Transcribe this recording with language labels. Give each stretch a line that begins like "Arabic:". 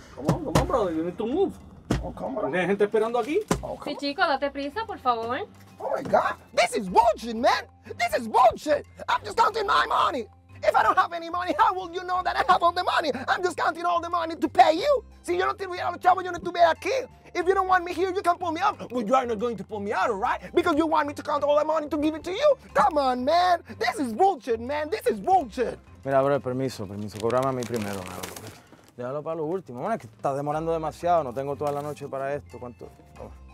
English: Come on, brother, you need to move. Oh,
Spanish: ¿hay gente esperando aquí? Sí, chico, date prisa, por favor.
English: Oh my God, this is bullshit, man. This is bullshit. I'm just counting my money. If I don't have any money, how will you know that I have all the money? I'm just counting all the money to pay you.
Spanish: Si yo no te voy a los chavos, yo no estuve aquí.
English: If you don't want me here, you can pull me out. Well, you are not going to pull me out, all right? Because you want me to count all the money to give it to you. Come on, man. This is bullshit, man. This is bullshit.
Spanish: Mira, bro, permiso. Cóbrame a mí primero, bro. Déjalo para lo último. Bueno, es que estás demorando demasiado. No tengo toda la noche para esto. ¿Cuánto? Oh.